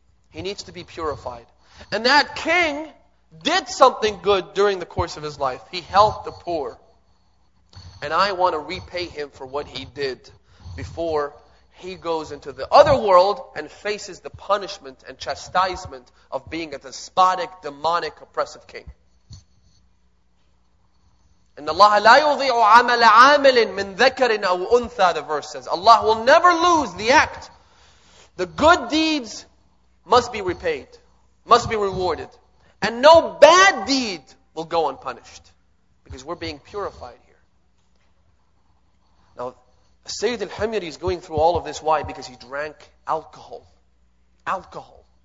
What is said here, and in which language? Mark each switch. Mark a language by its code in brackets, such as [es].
[en] He needs to be purified. And that king did something good during the course of his life. He helped the poor. And I want to repay him for what he did before he goes into the other world and faces the punishment and chastisement of being a despotic, demonic, oppressive king. And Allah [ar] لا يضيع عمل عامل من ذكر أو أنثى, [en] the verse says. Allah will never lose the act. The good deeds must be repaid, must be rewarded. And no bad deed will go unpunished, because we're being purified here. Now, Sayyid al-Humayri is going through all of this. Why? Because he drank alcohol. Alcohol.